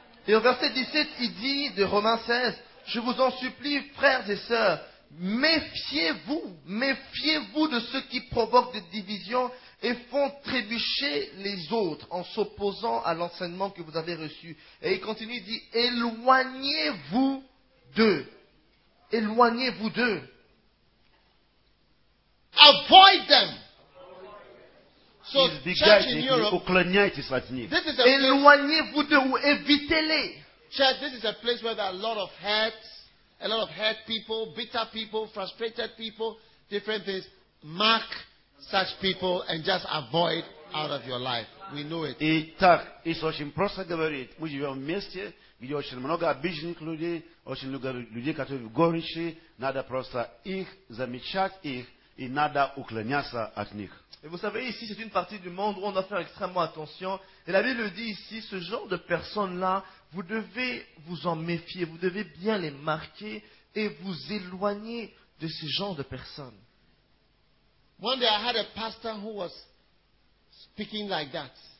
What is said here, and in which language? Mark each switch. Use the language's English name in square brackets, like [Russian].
[French] Et au verset 17, il dit de Romains 16, « Je vous en supplie, frères et sœurs, méfiez-vous de ceux qui provoquent des divisions et font trébucher les autres en s'opposant à l'enseignement que vous avez reçu. » Et il continue, il dit « Éloignez-vous d'eux. » [English] Avoid them. So, [French] éloignez-vous d'eux ou évitez-les. [English] Church, this is a place where there are a lot of hurt people, bitter people, frustrated people, different things. Mark such people and just avoid out of your life. We know it. [Russian] Итак, Иисус им просто говорит, мы живем вместе, где очень много обиженных людей, очень много людей, которые в горечи, надо просто их замечать, их, и надо уклоняться от них. [French] Et vous savez, ici, c'est une partie du monde où on doit faire extrêmement attention. Et la Bible dit ici, ce genre de personnes-là, vous devez vous en méfier, vous devez bien les marquer et vous éloigner de ce genre de personnes. [English] One day, I had a pastor who was speaking like that.